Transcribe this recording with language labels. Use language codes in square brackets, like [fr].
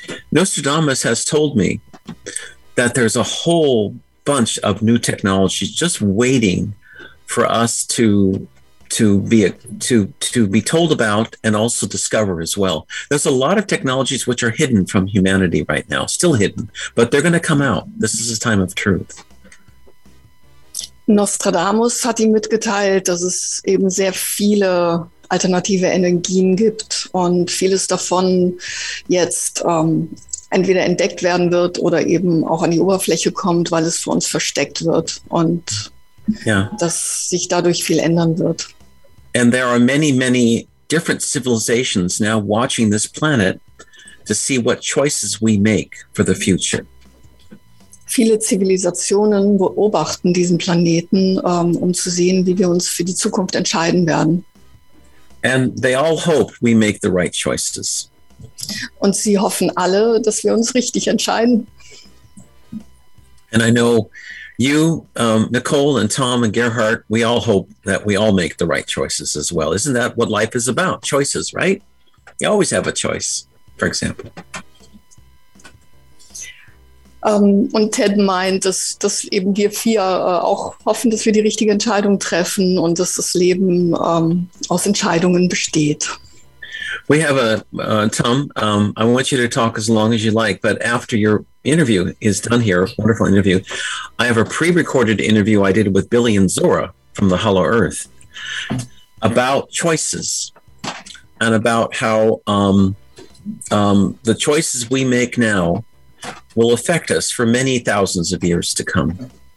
[en] Nostradamus has told me that there's a whole bunch of new technologies just waiting for us to be told about and also discover as well. There's a lot of technologies which are hidden from humanity right now, still hidden, but they're going to come out. This is a time of truth. [de] Nostradamus hat ihm mitgeteilt, dass es eben sehr viele alternative Energien gibt und vieles davon jetzt entweder entdeckt werden wird oder eben auch an die Oberfläche kommt, weil es vor uns versteckt wird und dass sich dadurch viel ändern wird. [en] And there are many, many different civilizations now watching this planet to see what choices we make for the future. [de] Viele Zivilisationen beobachten diesen Planeten, um zu sehen, wie wir uns für die Zukunft entscheiden werden. [en] And they all hope we make the right choices. [de] Und sie hoffen alle, dass wir uns richtig entscheiden. [en] And I know you, Nicole and Tom and Gerhard, we all hope that we all make the right choices as well. Isn't that what life is about? Choices, right? You always have a choice, for example. [de] Und Ted meint, dass eben wir vier auch hoffen, dass wir die richtige Entscheidung treffen und dass das Leben aus Entscheidungen besteht. [en] We have a, Tom, I want you to talk as long as you like, but after your interview is done here, wonderful interview, I have a pre-recorded interview I did with Billy and Zora from the Hollow Earth about choices and about how the choices we make now will affect us for many thousands of years to come.